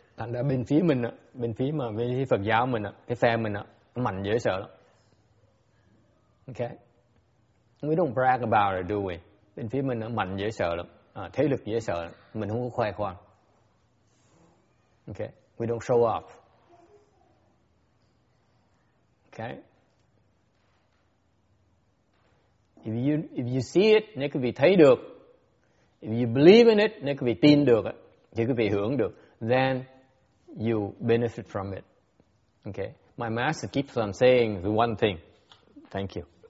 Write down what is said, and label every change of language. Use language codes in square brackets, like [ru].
[vi] Thành ra bên phía mình, bên phía Phật giáo mình, cái phe mình nó mạnh dễ sợ lắm. [en] Okay, we don't brag about it, do we? [vi] Bên phía mình nó mạnh dễ sợ lắm, thế lực dễ sợ lắm. Mình không có khoe khoang. [en] Okay, we don't show off. Okay, if you see it, [vi] nếu quý vị thấy được, [en] if you believe in it, [vi] nếu quý vị tin được, thì quý vị hưởng được, [en] then you benefit from it. Okay, my master keeps on saying the one thing. Thank you.